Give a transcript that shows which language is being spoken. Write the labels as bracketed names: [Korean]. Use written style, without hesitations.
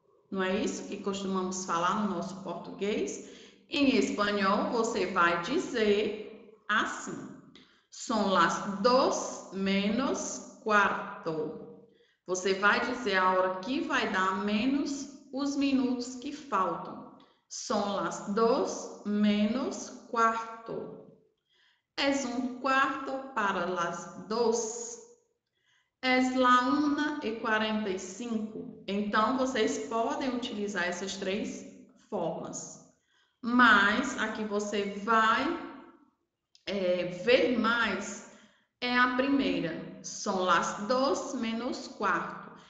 [Portuguese] Não é isso que costumamos falar no nosso português? Em espanhol, você vai dizer assim: [Spanish] son las dos menos quarto. [Portuguese] Você vai dizer a hora que vai dar menos os minutos que faltam. [Spanish] Son las dos menos quarto. Es un cuarto para las dos. Es la 1:45. [Portuguese] Então, vocês podem utilizar essas três formas. Mas aqui você vai ver mais é a primeira, [Spanish] son las dos menos quarto.